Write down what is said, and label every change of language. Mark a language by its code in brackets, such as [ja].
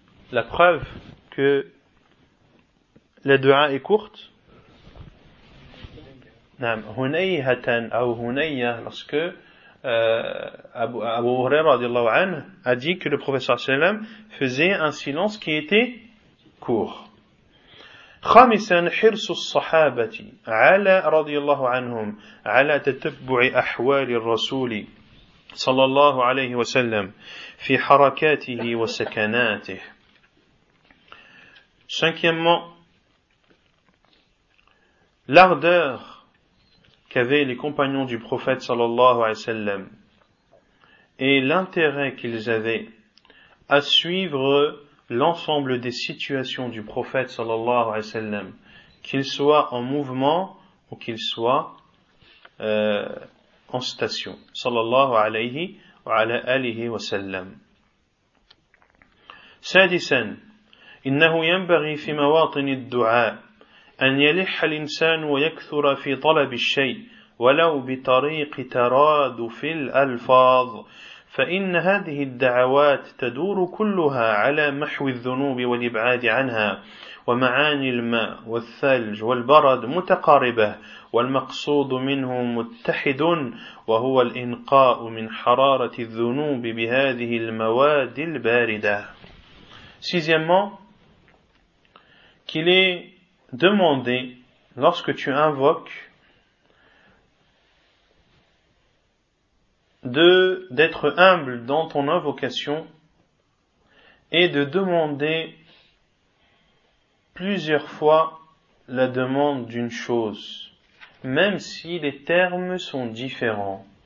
[fr] La preuve que la dua est courte, [ar] نعم هنيهة أو هنية [fr] lorsque Abu Huraira [ar] رضي الله عنه [fr] a dit que le professeur [ar] صلى الله عليه وسلم [fr] faisait un silence qui était court. [ar] خامسا حرص الصحابة على رضي الله عنهم على تتبع أحوال الرسول صلى الله عليه وسلم في حركاته وسكناته. [fr] Cinquièmement, l'ardeur qu'avaient les compagnons du prophète sallallahu alayhi wa sallam et l'intérêt qu'ils avaient à suivre l'ensemble des situations du prophète sallallahu alayhi wa sallam, qu'il soit en mouvement ou qu'il soit en station sallallahu alayhi wa ala alihi wa sallam. [ar] Sadisan, innahu yanbaghi fi mawatin ad-du'a أن يلح الإنسان ويكثر في طلب الشيء ولو بطريق ترادف الألفاظ، فإن هذه الدعوات تدور كلها على محو الذنوب والإبعاد عنها، ومعاني الماء والثلج والبرد متقاربة، والمقصود منه متحد، وهو الإنقاء من حرارة الذنوب بهذه المواد الباردة. [fr] Sixièmement, qu'il est demandé lorsque tu invoques d'être humble dans ton invocation et de demander plusieurs fois la demande d'une chose, même si les termes sont différents.